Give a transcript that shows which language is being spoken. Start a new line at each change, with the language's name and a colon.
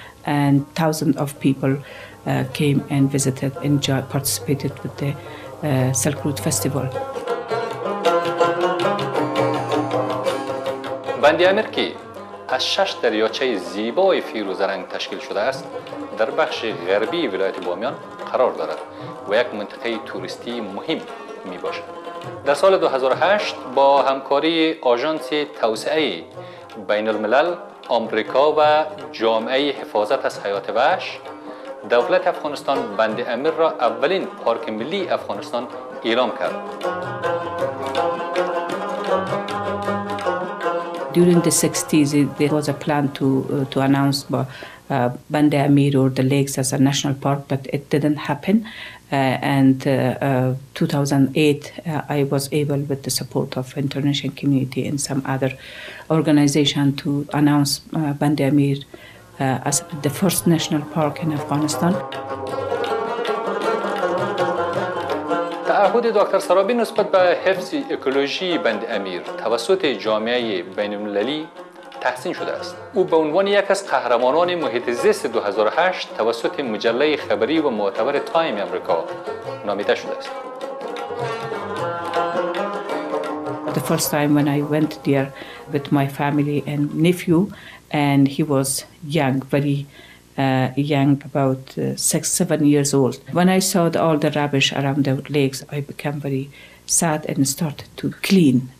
English: And thousands of people came and visited and participated with the Silk Road Festival.
Persian: بندی امیر که از 6 دریاچه زیبای فیروزرنگ تشکیل شده است، در بخش غربی ولایت بامیان قرار دارد و یک منطقه توریستی مهم می باشد. در سال 2008 با همکاری آژانس توسعه بین الملل، آمریکا و جامعه حفاظت از حیات وحش، دولت افغانستان بند امیر را اولین پارک ملی افغانستان اعلام کرد.
English: During the 60s, there was a plan to announce Bande Amir or the lakes as a national park, but it didn't happen. And 2008, I was able, with the support of international community and some other organization, to announce Bande Amir as the first national park in Afghanistan.
Persian: تعهد دکتر سرابی نسبت به حفظ اکولوژی بند امیر توسط جامعه بین‌المللی تحسین شده است. او به عنوان یک از قهرمانان محیط زیست 2008 توسط مجله خبری و معتبر تایم امریکا نامیده شده است.
English: The first time when I went there with my family and nephew, and he was young, very young, about 6-7 years old. When I saw all the rubbish around the lakes, I became very sad and started to clean.